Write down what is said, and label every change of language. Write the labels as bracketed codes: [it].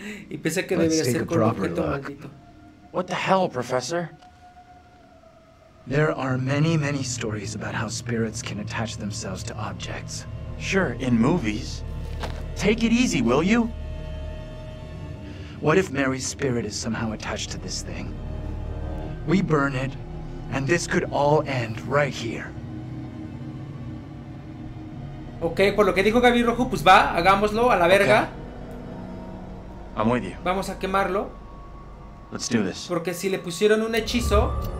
[es] Y pensé que debía ser con objeto maldito. [en] What the hell, Professor? There are many, many stories about how spirits can attach themselves to objects. Sure, in movies. Take it easy, will you? What if Mary's spirit is somehow attached to this thing? We burn it, and this could all end right here. [es] Ok, por lo que dijo Gaby Rojo, pues va, hagámoslo a la verga. [en] Okay. I'm with you. [es] Vamos a quemarlo. [en] Let's do this. [es] Porque si le pusieron un hechizo.